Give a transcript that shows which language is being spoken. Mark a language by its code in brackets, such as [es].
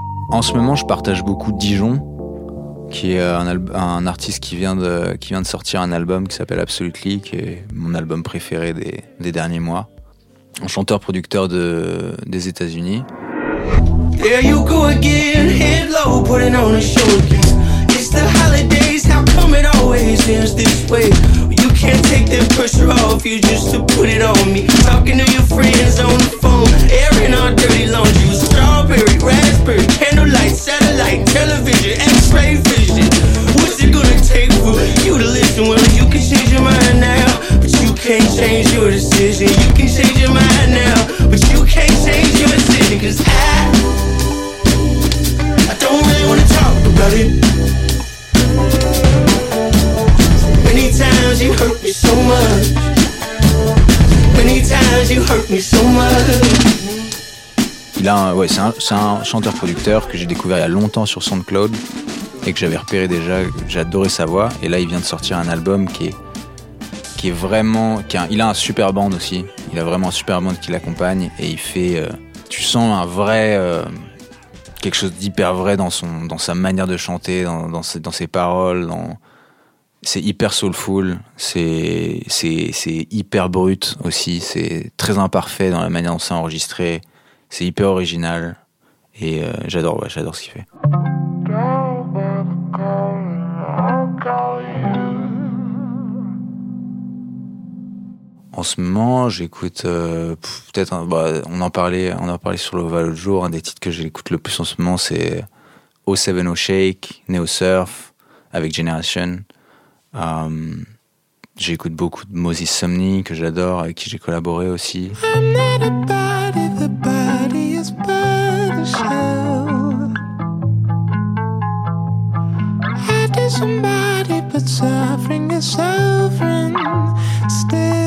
[fr] En ce moment, je partage beaucoup Dijon, qui est un artiste qui vient de sortir un album qui s'appelle Absolutely, qui est mon album préféré des derniers mois. Un chanteur-producteur des États-Unis. [en] There you go again, head low, putting on a show again. It's the holidays, how come it always ends this way? You can't take that pressure off, you just to put it on me. Talking to your friends on the phone, airing our dirty laundry. Strawberry, raspberry, candlelight, satellite, television, x-ray vision. What's it gonna take for you to listen? Well, you can change your mind now, but you can't change your decision. You can change your mind now, but you can't change your decision. Cause I don't really wanna talk about it. Many times you hurt me so much. Many times you hurt me so much. [fr] C'est un chanteur-producteur que j'ai découvert il y a longtemps sur SoundCloud et que j'avais repéré déjà, j'adorais sa voix. Et là, il vient de sortir un album qui a un super band aussi. Il a vraiment un super band qui l'accompagne et il fait... tu sens un vrai... quelque chose d'hyper vrai dans sa manière de chanter, dans ses paroles. C'est hyper soulful, c'est hyper brut aussi, c'est très imparfait dans la manière dont c'est enregistré. C'est hyper original et j'adore ce qu'il fait. En ce moment, j'écoute on en parlait sur l'Oval l'autre jour. Un des titres que j'écoute le plus en ce moment, c'est O7O Shake, Neo Surf avec Generation. J'écoute beaucoup de Moses Sumney que j'adore, avec qui j'ai collaboré aussi. [en] I'm not a body, the body is but a shell. I do somebody, but suffering is suffering still.